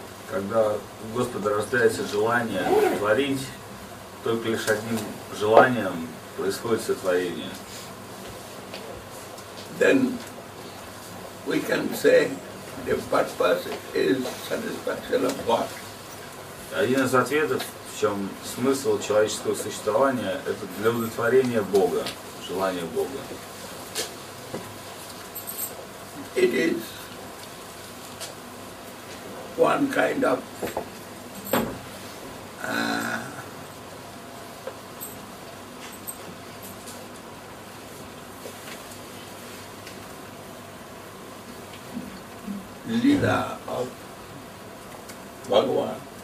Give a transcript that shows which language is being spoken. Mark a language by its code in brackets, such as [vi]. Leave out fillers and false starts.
[ru] Когда у Господа рождается желание творить, только лишь одним желанием происходит сотворение. [en] Then we can say the purpose is satisfaction of God. [ru] Один из ответов, в чем смысл человеческого существования, это для удовлетворения Бога, желания Бога. [en] It is one kind of [ru] Лида от Бхагавана.